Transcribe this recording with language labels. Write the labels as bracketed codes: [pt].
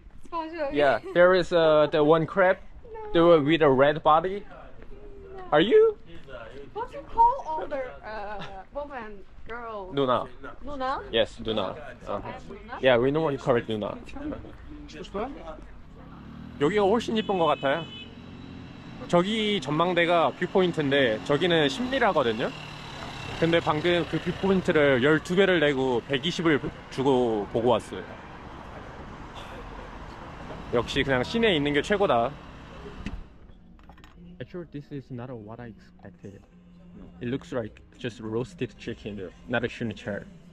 [en] SpongeBob. Yeah, there is the one crab no. the, with a red body. No. Are you? What do you call older woman, girl? Luna. Luna? Yes, Luna. I am Luna? Yeah, we know what you call it, Luna. [ko] 여기가 훨씬 예쁜 것 같아요. 저기 전망대가 뷰포인트인데 저기는 10미라거든요. 근데 방금 그 뷰포인트를 12배를 내고 120을 주고 보고 왔어요. 역시 그냥 시내에 있는 게 최고다. [en] Actually, this is not what I expected. It looks like just roasted chicken, not a shunichar.